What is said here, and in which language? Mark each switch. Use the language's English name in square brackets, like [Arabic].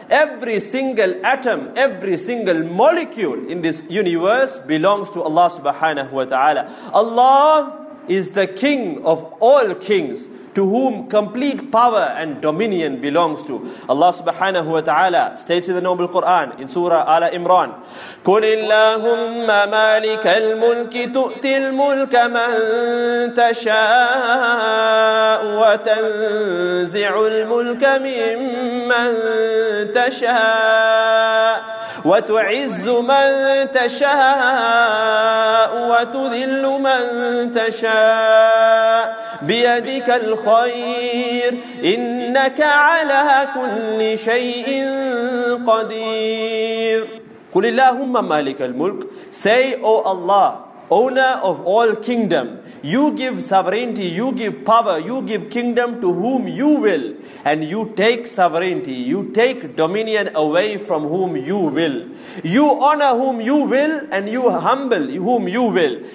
[English] Every single atom, every single molecule in this universe belongs to Allah subhanahu wa ta'ala. Allah is the king of all kings, to whom complete power and dominion belongs to. Allah subhanahu wa ta'ala states in the Noble Quran, in Surah Ala Imran, [Arabic] قُلِ اللَّهُمَّ مَالِكَ الْمُلْكِ تُؤْتِي الْمُلْكَ مَنْ تَشَاءُ وَتَنْزِعُ الْمُلْكَ مِمَّنْ تَشَاءُ وتعز من تشاء وتذل من تشاء بيدك الخير إنك على كل شيء قدير. قل اللهم مالك الملك. [English] Say, O Allah, owner of all kingdom, you give sovereignty, you give power, you give kingdom to whom you will, and you take sovereignty, you take dominion away from whom you will. You honor whom you will, and you humble whom you will.